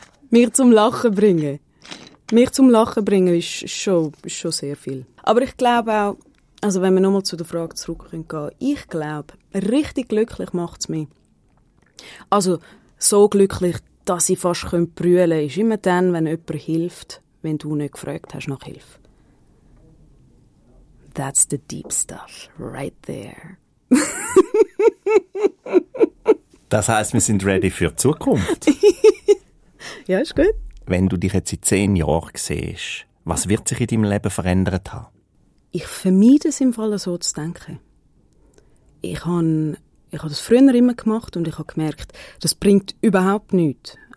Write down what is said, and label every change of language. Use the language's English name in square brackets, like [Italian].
[German] Mich zum Lachen bringen. Mich zum Lachen bringen ist schon sehr viel. Aber ich glaube auch, also wenn wir nochmal zu der Frage zurückgehen können, ich glaube, richtig glücklich macht es mich. Also so glücklich, dass ich fast brüllen könnte, ist immer dann, wenn jemand hilft, wenn du nicht gefragt hast nach Hilfe. [English] That's the deep stuff, right there. [German] Das heisst, wir sind ready für die Zukunft. Ja, ist gut. Wenn du dich jetzt in 10 Jahren siehst, was wird sich in deinem Leben verändert haben? Ich vermeide es im Fall so zu denken. Ich habe ich habe das früher immer gemacht und ich habe gemerkt, das bringt überhaupt nichts.